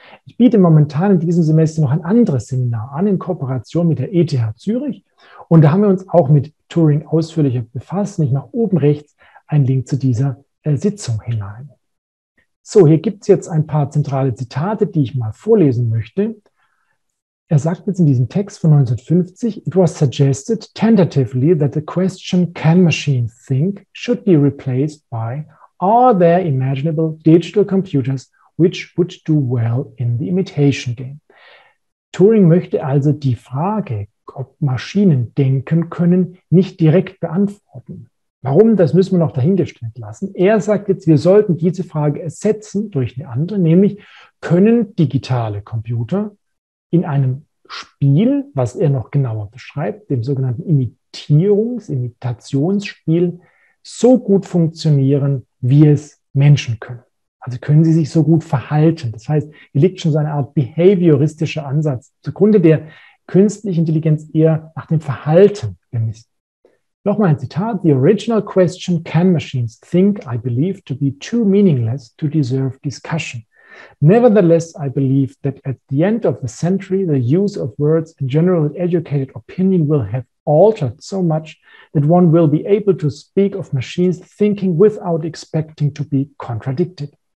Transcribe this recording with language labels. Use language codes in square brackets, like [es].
[de] Ich biete momentan in diesem Semester noch ein anderes Seminar an in Kooperation mit der ETH Zürich. Und da haben wir uns auch mit Turing ausführlicher befasst. Ich mache oben rechts einen Link zu dieser Sitzung hinein. So, hier gibt es jetzt ein paar zentrale Zitate, die ich mal vorlesen möchte. Er sagt jetzt in diesem Text von 1950, [en] it was suggested tentatively that the question, can machine think, should be replaced by, are there imaginable digital computers which would do well in the imitation game? [de] Turing möchte also die Frage, ob Maschinen denken können, nicht direkt beantworten. Warum, das müssen wir noch dahingestellt lassen. Er sagt jetzt, wir sollten diese Frage ersetzen durch eine andere, nämlich können digitale Computer in einem Spiel, was er noch genauer beschreibt, dem sogenannten Imitationsspiel, so gut funktionieren, wie es Menschen können. Also können sie sich so gut verhalten. Das heißt, hier liegt schon so eine Art behavioristischer Ansatz zugrunde, der künstliche Intelligenz eher nach dem Verhalten bemisst. Nochmal ein Zitat. [en] The original question, can machines think, I believe to be too meaningless to deserve discussion. Nevertheless, I believe that at the end of the century, the use of words and general educated opinion will have altered so much that one will be able to speak of machines thinking without expecting to be contradicted.